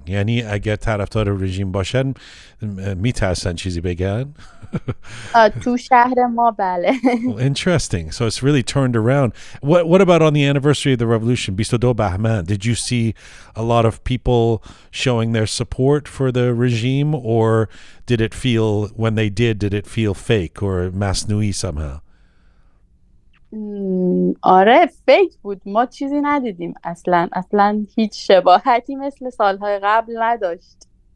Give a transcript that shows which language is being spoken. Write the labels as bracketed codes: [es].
[fa] یعنی اگر طرفدار رژیم باشن میترسن چیزی بگن؟ تو شهر ما بله. [en] Interesting. So it's really turned around. What about on the anniversary of the revolution, 22 Bahman? Did you see a lot of people showing their support for the regime, or did it feel, when they did it feel fake or [fa] masnoui [en] somehow? [fa] آره فیک بود، ما چیزی ندیدیم اصلا هیچ شباهتی مثل سالهای قبل نداشت.